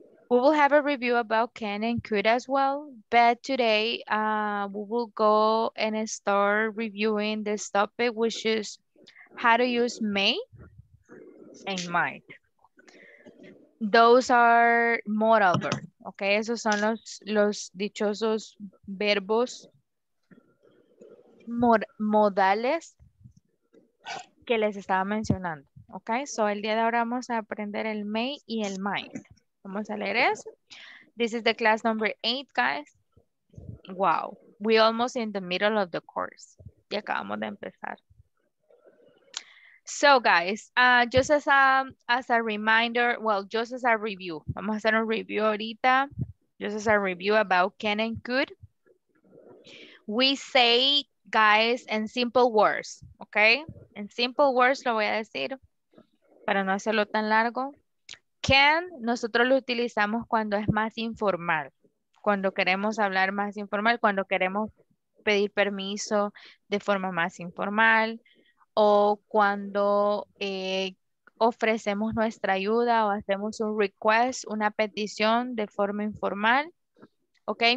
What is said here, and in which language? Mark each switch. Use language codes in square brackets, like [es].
[en] We will have a review about can and could as well, but today we will go and start reviewing this topic, which is how to use may and might. Those are moreover, okay? [es] Esos son los dichosos verbos modales que les estaba mencionando, ok? So, el día de ahora vamos a aprender el may y el might. Vamos a leer eso. [en] This is the class number 8, guys. Wow, we almost in the middle of the course. [es] Y acabamos de empezar. [en] So, guys, just as a reminder, well, just as a review. [es] Vamos a hacer un review ahorita. [en] Just as a review about can and could. We say, guys, in simple words, okay? In simple words, [es] lo voy a decir, para no hacerlo tan largo. Can, nosotros lo utilizamos cuando es más informal, cuando queremos hablar más informal, cuando queremos pedir permiso de forma más informal, o cuando ofrecemos nuestra ayuda o hacemos un request, una petición de forma informal, okay?